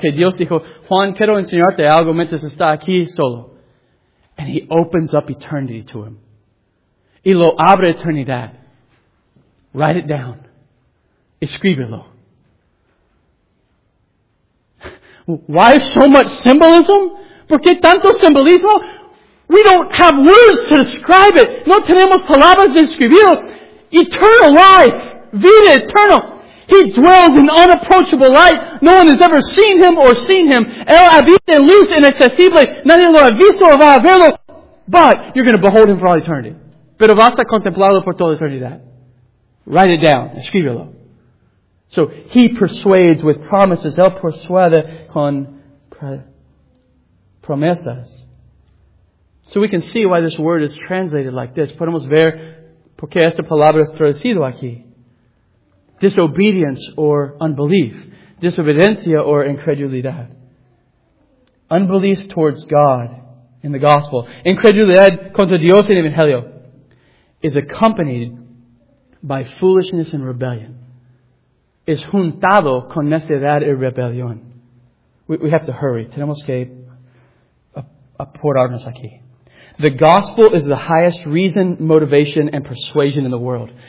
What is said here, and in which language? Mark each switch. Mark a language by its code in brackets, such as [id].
[es] Que Dios dijo, Juan, quiero enseñarte algo mientras está aquí solo. [en] And He opens up eternity to him. [es] Y lo abre eternidad. [en] Write it down. [es] Escríbelo. [en] Why so much symbolism? [es] ¿Por qué tanto simbolismo? [en] We don't have words to describe it. [es] No tenemos palabras de escribir. [en] Eternal life. [es] vida eterna. [en] He dwells in unapproachable light. No one has ever seen Him or seen Him. [es] Él habita en luz inaccesible. Nadie lo ha visto o va a verlo. [en] But you're going to behold Him for all eternity. [es] Pero vas a contemplarlo por toda eternidad. [en] Write it down. [es] Escríbelo. [en] So He persuades with promises. [es] Él persuade con promesas. [en] So we can see why this word is translated like this. [es] Podemos ver por qué esta palabra es traducida aquí. [en] Disobedience or unbelief. [es] Desobediencia or incredulidad. [en] Unbelief towards God in the gospel. [es] Incredulidad contra Dios en el Evangelio [en] is accompanied by foolishness and rebellion. [es] Es juntado con necedad y rebelión. [en] We have to hurry. [es] Tenemos que apurarnos aquí. [en] The gospel is the highest reason, motivation, and persuasion in the world.